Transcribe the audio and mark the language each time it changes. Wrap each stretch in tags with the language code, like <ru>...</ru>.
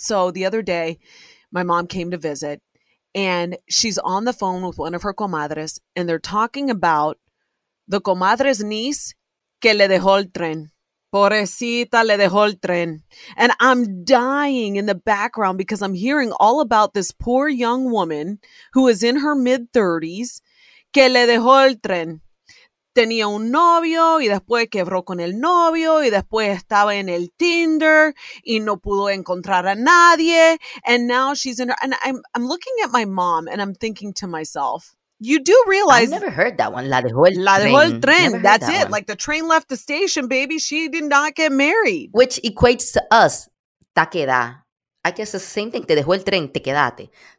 <en>So the other day, my mom came to visit, and she's on the phone with one of her comadres, and they're talking about the comadre's niece</en> <es>que le dejó el tren. Pobrecita le dejó el tren.</es> <en>And I'm dying in the background because I'm hearing all about this poor young woman who is in her mid-30s.</en> <es>Que le dejó el tren. Tenía un novio y después quebró con el novio y después estaba en el Tinder y no pudo encontrar a nadie.</es> <en>And now she's in her... And I'm looking at my mom and I'm thinking to myself... You do realize... I've never heard that one.</en> <es>La dejó el tren.</es> <en>That's it. Like the train left the station, baby. She did not get married. Which equates to us.</en> <es>Ta queda.</es> <en>I guess the same thing.</en> <es>Te dejó el tren. Te quedate.</es>